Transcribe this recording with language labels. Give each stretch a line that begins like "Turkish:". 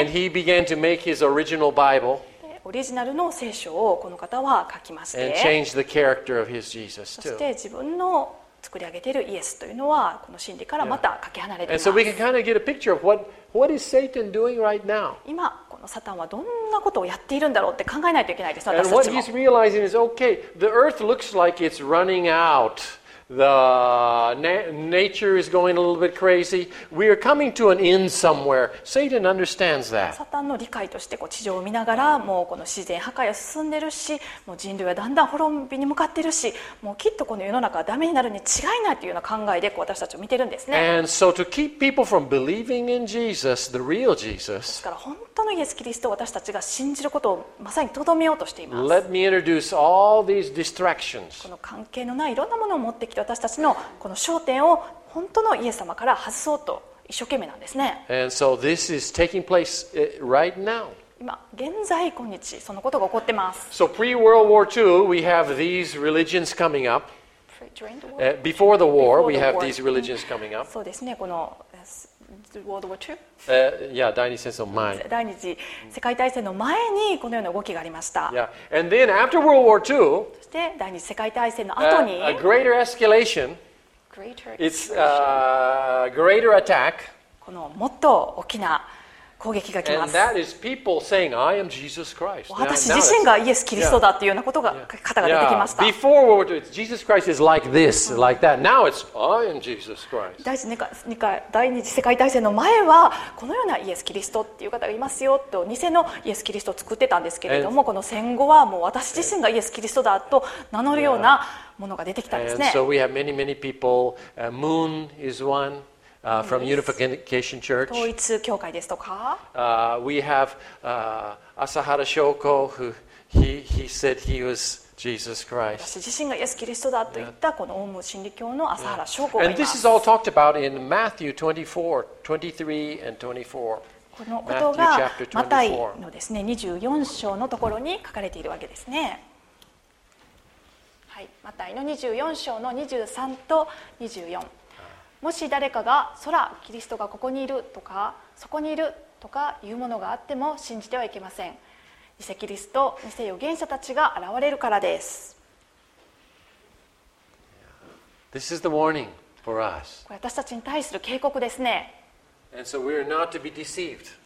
English: And he began to make his original Bible.
Japanese: オリジナルの聖書をこの方は書きまして、
English: And changed the character of his Jesus too.
Japanese: そして自分の作り上げているイエスというのはこの真理からまたかけ離れています
English: 。 And so we can kind of get a picture of what is Satan doing right now.
Japanese: 今このサタンはどんなことをやっているんだろうって考えないといけないです。
English: And what he's realizing is, okay, the earth looks like it's running out. The nature is going a little bit crazy. We are coming to an end somewhere. Satan understands that.
Japanese: サタンの理解としてこう地上を見ながら、もうこの自然破壊は進んでるし、もう人類はだんだん滅びに向かってるし、もうきっとこの世の中はダメになるに違いないというような考えでこう私たちを見てるんですね。
English: And so to keep people from believing in Jesus, the real Jesus.
Japanese: ですから本当のイエスキリストを私たちが信じることをまさにとどめようとしています。
English: Let me introduce all these distractions.
Japanese: この関係のないいろんなものを持って私たちのこの焦点を本当のイエス様から外そうと一生懸命なんですね。
English: And so this is taking place right now.
Japanese: 今現在今日そのことが起こってます。
English: So pre-World War II, we have these religions coming up. Before the war, we have these religions coming up.
Japanese: そうですね。
English: この World War II?
Japanese: Yeah, 第二次戦争前。第二次世界大戦の前にこのような動きがありました。
English: Yeah, and then after World War II,
Japanese: そして第二次世界大戦の後に、
English: a greater escalation, it's a greater attack,
Japanese: このもっと大きな攻撃が来ます。
English: And that is people saying, I am Jesus Christ.
Japanese: 私自身がイエス・キリストだっていうようなことが、方が出てきました。
English: Before World War II, it's Jesus Christ is like this, like that. Now it's, I am Jesus Christ.
Japanese: 第二次世界大戦の前は、このようなイエス・キリストっていう方がいますよと、偽のイエス・キリストを作ってたんですけれども、この戦後はもう私自身がイエス・キリストだと名乗るようなものが出てきたんですね。
English: And so we have many, many people. Moon is one. From Unification Church.
Japanese: 統一教会ですとか。
English: We have Asahara Shoko, who he said he was Jesus Christ.
Japanese: 私自身がイエス・キリストだと言ったこのオウム真理教の朝原翔子がいます。
English: And this is all talked about in Matthew 24, 23 and 24.
Japanese: このことがマタイのですね、24章のところに書かれているわけですね。はい、マタイの24章の23と24。もし誰かが空、キリストがここにいるとかそこにいるとかいうものがあっても信じてはいけません。偽キリスト、偽預言者たちが現れるからです。
English: This is the warning for us.
Japanese: これ私たちに対する警告ですね。
English: And so we are not to be deceived.